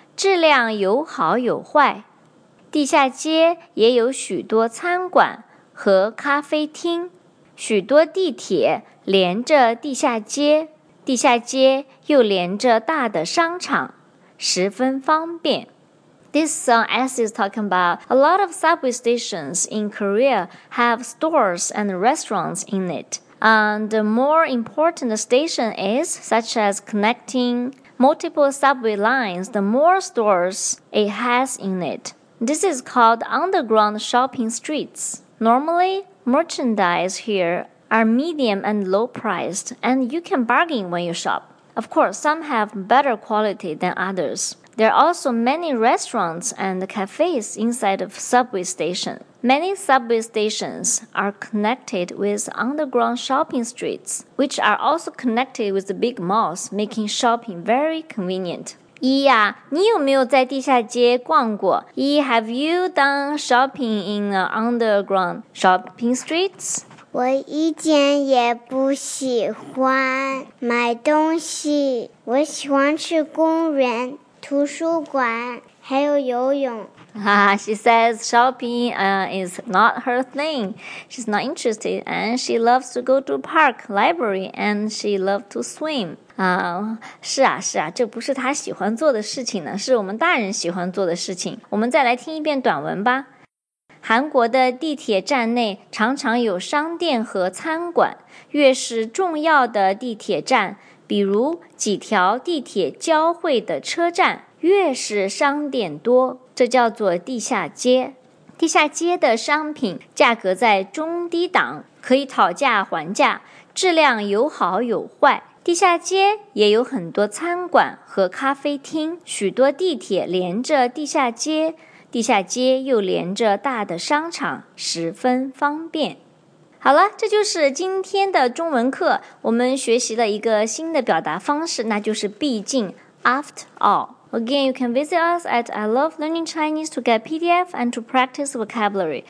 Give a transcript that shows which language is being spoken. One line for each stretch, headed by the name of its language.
Chinese: 质量有好有坏。地下街也有许多餐馆和咖啡厅，许多地铁连着地下街，地下街又连着大的商场，十分方便。
English: This song S is talking about a lot of subway stations in Korea have stores and restaurants in it. And the more important the station is, such as connecting multiple subway lines, the more stores it has in it. This is called underground shopping streets. Normally, merchandise here are medium and low priced, and you can bargain when you shop. Of course, some have better quality than others. There are also many restaurants and cafes inside of subway station. Many subway stations are connected with underground shopping streets, which are also connected with the big malls, making shopping very convenient.
Chinese: 依呀，你有没有在地下街逛过？
English: 依 ，Have you done shopping in underground shopping streets?
Chinese: 我一点也不喜欢买东西，我喜欢去公园。图书馆还有游泳。
English: She says shopping is not her thing. She's not interested, and she loves to go to park, library, and she loves to swim.
Chinese: 是啊是啊，这不是她喜欢做的事情呢，是我们大人喜欢做的事情。我们再来听一遍短文吧。韩国的地铁站内常常有商店和餐馆，越是重要的地铁站。比如几条地铁交汇的车站，越是商店多，这叫做地下街。地下街的商品价格在中低档，可以讨价还价，质量有好有坏。地下街也有很多餐馆和咖啡厅，许多地铁连着地下街，地下街又连着大的商场，十分方便。好了，这就是今天的中文课。我们学习了一个新的表达方式，那就是毕竟
English: after all. Again, you can visit us at I Love Learning Chinese to get PDF and to practice vocabulary.